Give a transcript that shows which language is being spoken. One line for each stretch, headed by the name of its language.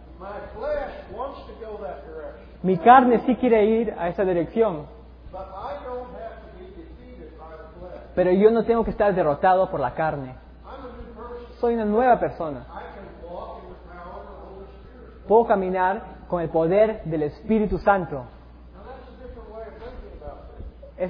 English: My flesh wants to go that direction.
Spanish: Mi carne sí quiere ir a esa dirección.
English: But I don't have to be defeated by the flesh.
Spanish: Pero yo no tengo que estar derrotado por la carne.
English: I'm a new person.
Spanish: Soy una nueva persona.
English: I can walk in the power of the Holy Spirit.
Spanish: Puedo caminar con el poder del Espíritu Santo.
English: Now that's a different way of thinking about this.